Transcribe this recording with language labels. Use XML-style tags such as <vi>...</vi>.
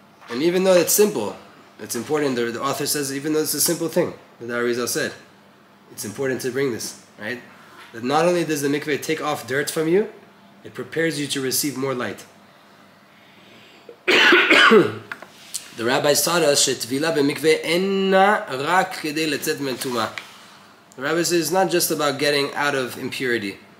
<en>And even though it's simple, it's important, the author says, even though it's a simple thing, the Arizal said, it's important to bring this, right? That not only does the mikveh take off dirt from you, it prepares you to receive more light. The rabbis taught us,</en> <he>שטבילה במקווה אינה רק כדי לצאת מהטומאה.</he> <en>The rabbi says it's not just about getting out of impurity.</en>